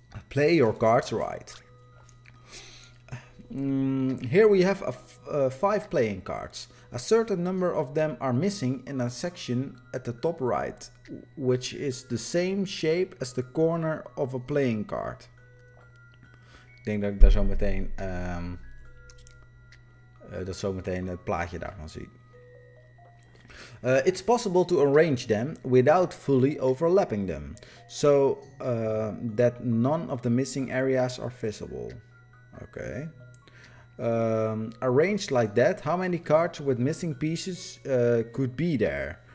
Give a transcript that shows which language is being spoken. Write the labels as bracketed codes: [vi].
[en] Play your cards right. Here we have five playing cards. A certain number of them are missing in a section at the top right, which is the same shape as the corner of a playing card. [nl] Ik denk dat ik daar zometeen het plaatje daarvan zie. [en] It's possible to arrange them without fully overlapping them, so that none of the missing areas are visible. Okay. Arranged like that, how many cards with missing pieces could be there?